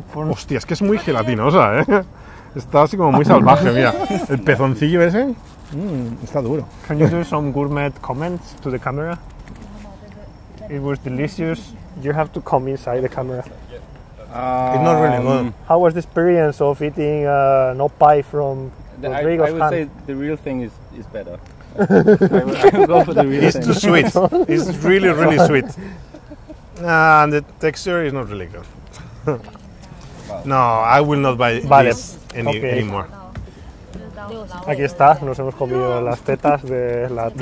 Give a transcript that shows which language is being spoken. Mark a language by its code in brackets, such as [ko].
[es] Hostia, es que es muy gelatinosa, ¿eh? Está así como muy salvaje, mira. El pezoncillo ese... está duro. [en] Can you do some gourmet comments to the camera? It was delicious. You have to come inside the camera. It's not really good. How was the experience of eating an oppai from Rodrigo's hand? I would say the real thing is better. I would go for the real thing. It's too sweet. It's really, really sweet. And the texture is not really good. No, I will not buy this anymore. [es] Aquí está, nos hemos comido las tetas de la tía.